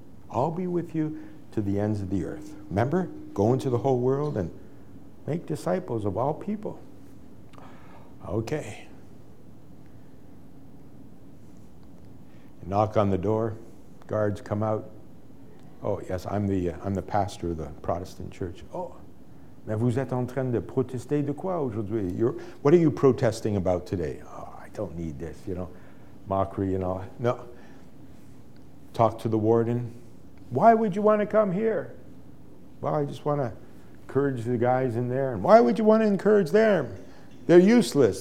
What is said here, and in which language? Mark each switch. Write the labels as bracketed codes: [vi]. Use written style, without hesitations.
[en] I'll be with you to the ends of the earth. Remember, go into the whole world and make disciples of all people. Okay. Knock on the door. Guards come out. Oh, yes, I'm the pastor of the Protestant church. [fr] Oh, mais vous êtes en train de protester de quoi aujourd'hui? [en] What are you protesting about today? Oh, I don't need this, you know, mockery and all. No. Talk to the warden. Why would you want to come here? Well, I just want to encourage the guys in there. And why would you want to encourage them? They're useless.